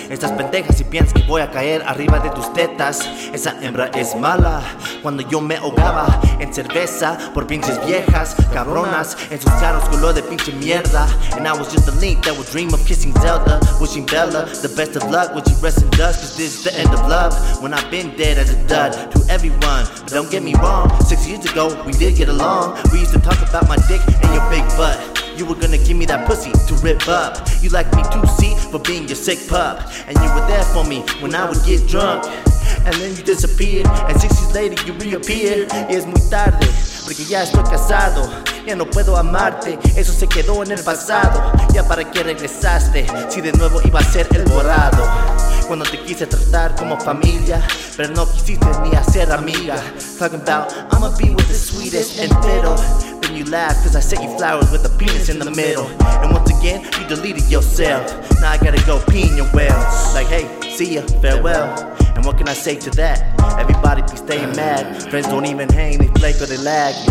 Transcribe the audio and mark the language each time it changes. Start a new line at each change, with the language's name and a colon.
Spanish: Estas pendejas si piensas que voy a caer arriba de tus tetas. Esa hembra es mala, cuando yo me ahogaba en cerveza por pinches viejas, cabronas, en sus carros color de pinche mierda.
English: And I was just a link that would dream of kissing Zelda, wishing Bella the best of luck, would she rest in dust, cause this is the end of love. When I've been dead as a dud to everyone, but don't get me wrong, 6 years ago we did get along. We used to talk about my dick and your big butt. You were gonna give me that pussy to rip up. You liked me too, see, for being your sick pup. And you were there for me when I would get drunk. And then you disappeared, and 6 years later you reappeared.
Spanish: Y es muy tarde, porque ya estoy casado. Ya no puedo amarte, eso se quedó en el pasado. Ya para qué regresaste, si de nuevo iba a ser el borrado. Cuando te quise tratar como familia, pero no quisiste ni hacer amiga.
English: Talking about, I'ma be with the sweetest entero. Then you laugh, cause I sent you flowers with a penis in the middle. And once again, you deleted yourself. Now I gotta go pee in your well. Like, hey, see ya, farewell. And what can I say to that? Everybody be staying mad. Friends don't even hang, they flake or they lag.